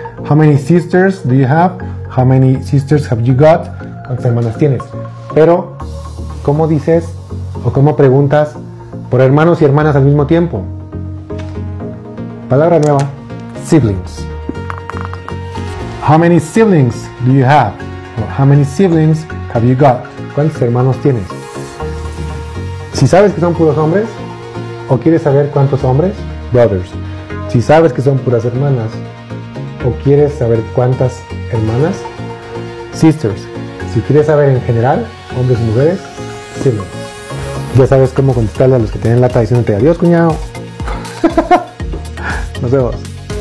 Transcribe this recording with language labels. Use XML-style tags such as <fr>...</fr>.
<en>How many sisters do you have? How many sisters have you got?</en> <es>¿Cuántas hermanas tienes? Pero, ¿cómo dices o cómo preguntas por hermanos y hermanas al mismo tiempo? Palabra nueva, siblings.</es> <en>How many siblings do you have? Or, how many siblings have you got?</en> <es>¿Cuántos hermanos tienes? Si sabes que son puros hombres, o quieres saber cuántos hombres, brothers. Si sabes que son puras hermanas, o quieres saber cuántas hermanas, sisters. Si quieres saber en general, hombres y mujeres, siblings. Ya sabes cómo contestarle a los que tienen la tradición de adiós, cuñado. Nos vemos.</es>